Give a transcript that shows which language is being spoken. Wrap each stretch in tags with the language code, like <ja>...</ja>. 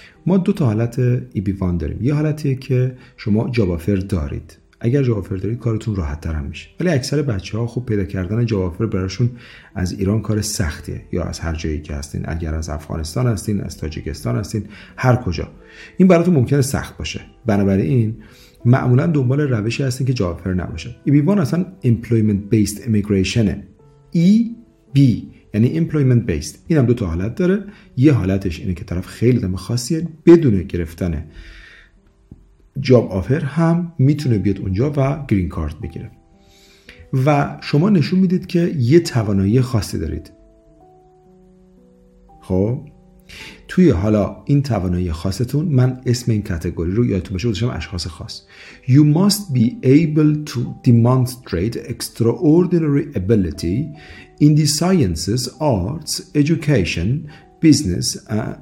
<fa>ما دو تا حالت EB1 داریم. یه حالتیه که شما جاب آفر دارید، اگر جاب آفر دارید کارتون راحت تر هم میشه، ولی اکثر بچه‌ها خوب پیدا کردن جاب آفر براشون از ایران کار سختیه، یا از هر جایی که هستین، اگر از افغانستان هستین، از تاجیکستان هستین، هر کجا، این براتون ممکنه سخت باشه. بنابراین معمولا دنبال روشی هستین که جاب آفر نباشه.</fa> <en>EB1 اصلا employment based immigration، EB یعنی employment based.</en> <fa>این هم دو تا حالت داره. یه حالتش اینه که طرف خیلی دم خاصیه، بدون گرفتن جاب آفر هم میتونه بیاد اونجا و گرین کارت بگیره و شما نشون میدید که یه توانایی خاصی دارید. خب توی حالا این توانایی خاصتون، من اسم این کاتگوری رو یادتون باشه گذاشتم اشخاص خاص، you must be able to demonstrate extraordinary ability in the sciences, arts, education, business.</fa>